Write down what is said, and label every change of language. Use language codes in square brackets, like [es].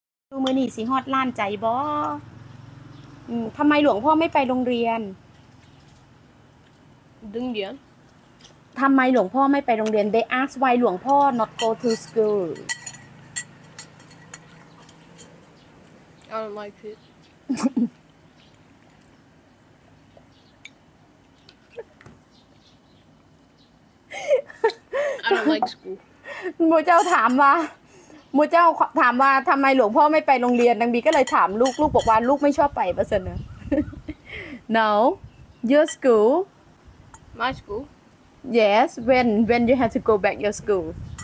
[th] ดูมือนี่สิฮอดล้านใจบ่ทำไมหลวงพ่อไม่ไปโรงเรียน ดึงเดียน ทำไมหลวงพ่อไม่ไปโรงเรียน [en] They ask why หลวงพ่อ not go to school I don't like it I don't like school [th] หมูเจ้าถามว่าหมูเจ้าถามว่าทำไมหลวงพ่อไม่ไปโรงเรียนนางบีก็เลยถามลูกลูกบอกว่าลูกไม่ชอบไปประเสริฐ [en] No your school My school? Yes, when you have to go back your school?